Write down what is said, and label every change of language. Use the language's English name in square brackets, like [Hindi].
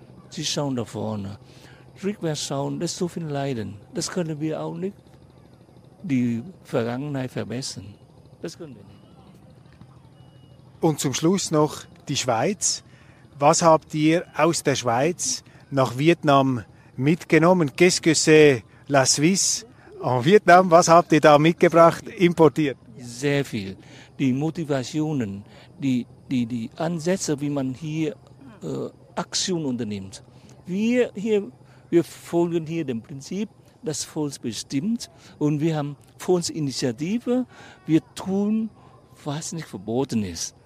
[German] Sie schauen da vorne. Rückwärts schauen, das ist so viel Leiden. Das können wir auch nicht die Vergangenheit verbessern. Das können wir nicht. Und zum Schluss noch die Schweiz. Was habt ihr aus der Schweiz nach Vietnam mitgenommen? [French] Qu'est-ce que c'est la Suisse en Vietnam? [German] Was habt ihr da mitgebracht, importiert? Sehr viel. Die Motivationen, die Ansätze, wie man hier Aktion unternimmt. Wir folgen hier dem Prinzip, das Volk bestimmt. Und wir haben Volksinitiative. Wir tun, was nicht verboten ist.